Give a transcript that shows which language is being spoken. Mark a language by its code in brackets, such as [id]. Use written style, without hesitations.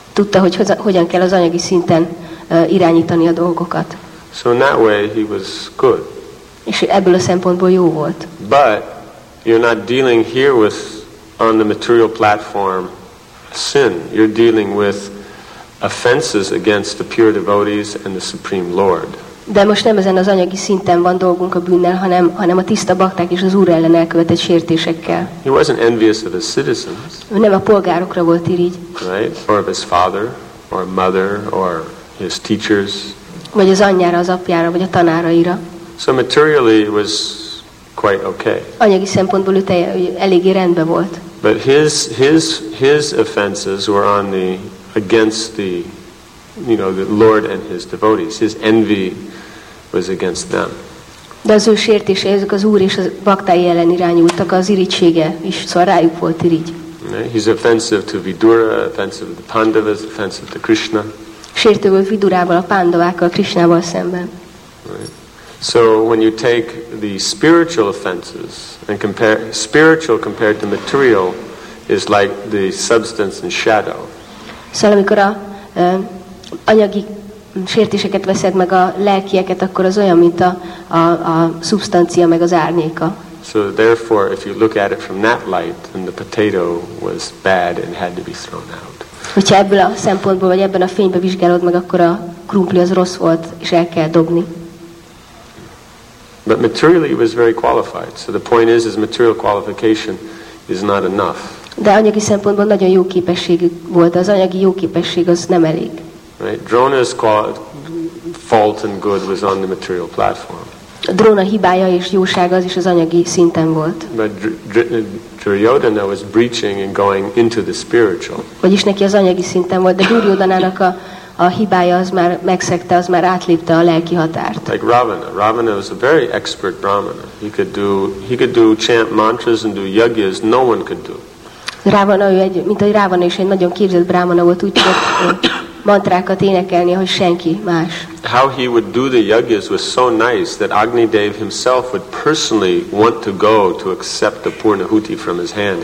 [hu] Tudta, hogy hogyan kell az anyagi szinten irányítani a dolgokat. [en] So in that way he was good. [hu] És ebből a szempontból jó volt. [en] But you're not dealing here with on the material platform sin. You're dealing with offenses against the pure devotees and the Supreme Lord. [hu] De most nem ezen az anyagi szinten van dolgunk a bűnnel, hanem a tiszta bakták és az Úr ellen elkövetett sértésekkel. [en] He wasn't envious of his citizens. [hu] Ő nem a polgárokra volt irigy. [en] Right? Or of his father, or mother, or his teachers. [hu] Vagy az anyjára, az apjára, vagy a tanáraira. [en] So materially it was quite okay. [hu] Anyagi szempontból ő eléggé rendben volt. [en] But his offenses were on the against the, you know, the Lord and his devotees. His envy was against them. [hu] De az ő sértése, ezek az Úr és a baktái ellen irányultak, az irigysége is, szóval rájuk volt irigy. [en] He's offensive to Vidura, offensive to the Pandavas, offensive to Krishna. [hu] Sértő volt Vidurával, a Pandavákkal, Krishnával szemben. [en] Right. So when you take the spiritual offenses and compare, spiritual compared to material is like the substance and shadow. [hu] Szóval amikor a anyagi sértéseket veszed meg a lelkieket, akkor az olyan, mint a szubstancia meg az árnyéka. [en] So therefore, if you look at it from that light, then the potato was bad and had to be thrown out. [hu] Hogyha ebből a szempontból, vagy ebben a fényben vizsgálod meg, akkor a krumpli az rossz volt, és el kell dobni. [en] But materially it was very qualified. So the point is material qualification is not enough. [hu] De anyagi szempontból nagyon jó képesség volt, az anyagi jó képesség az nem elég. [en] Right. Drona's fault and good was on the material platform. [hu] Drona hibája és jósága az is az anyagi szinten volt. [en] But Duryodhana was breaching and going into the spiritual. [hu] Vagyis neki az anyagi szinten volt, de Duryodhanának a hibája az már megszegte, az már átlépte a lelki határt. [en] Like Ravana. Ravana was a very expert brahmana. He could do chant mantras and do yagyas no one could do. [hu] Ravana, ő egy, mint a Ravana is egy nagyon képzett brahmana volt, úgy tudott mantrákat énekelni, hogy senki más. [en] How he would do the yagyas was so nice that Agni Dev himself would personally want to go to accept the Purnahuti from his hand.